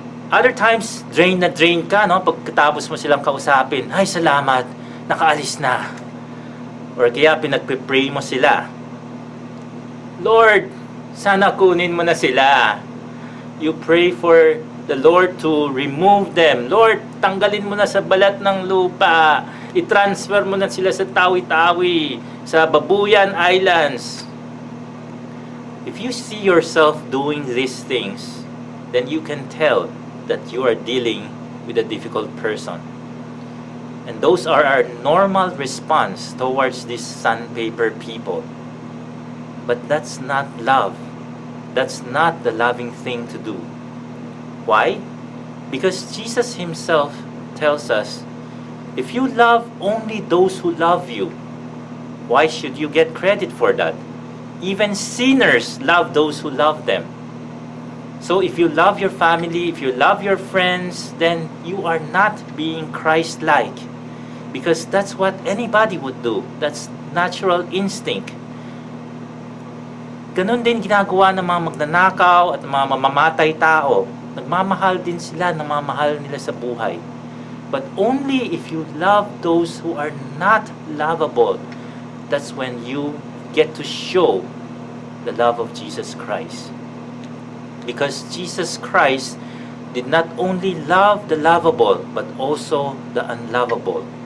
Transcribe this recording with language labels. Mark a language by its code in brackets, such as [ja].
[en] Other times, [tl] drain na drain ka, no? Pagkatapos mo silang kausapin, ay salamat, nakaalis na. Or kaya pinagpipray mo sila, Lord, sana kunin mo na sila. [en] You pray for the Lord to remove them. [tl] Lord, tanggalin mo na sa balat ng lupa. I-transfer mo na sila sa Tawi-Tawi, sa Babuyan Islands. [en] If you see yourself doing these things, then you can tell that you are dealing with a difficult person. And those are our normal response towards these sandpaper people. But that's not love. That's not the loving thing to do. Why? Because Jesus himself tells us, if you love only those who love you, why should you get credit for that? Even sinners love those who love them. So if you love your family, if you love your friends, then you are not being Christ-like. Because that's what anybody would do. That's natural instinct. [tl] Ganun din ginagawa ng mga magnanakaw at mga mamamatay tao. Nagmamahal din sila, namamahal nila sa buhay. [en] But only if you love those who are not lovable, that's when you get to show the love of Jesus Christ. Because Jesus Christ did not only love the lovable, but also the unlovable.